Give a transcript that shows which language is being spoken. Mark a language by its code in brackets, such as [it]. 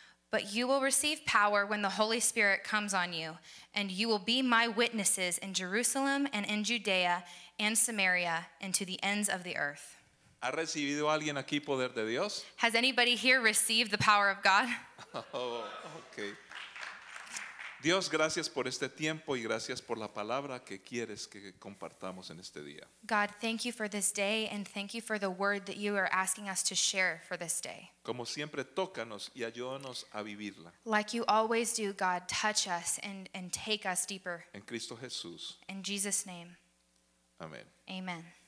[en] But you will receive power when the Holy Spirit comes on you, and you will be my witnesses in Jerusalem and in Judea and Samaria and to the ends of the earth. [es] ¿Ha recibido alguien aquí poder de Dios? [en] Has anybody here received the power of God? Oh, okay. [es] Dios, gracias por este tiempo y gracias por la palabra que quieres que compartamos en este día. [en] God, thank you for this day and thank you for the word that you are asking us to share for this day. [es] Como siempre, tócanos y ayúdanos a vivirla. [en] Like you always do, God, touch us and take us deeper. [es] En Cristo Jesús. [en] In Jesus' name. [es] Amén. [en] Amen.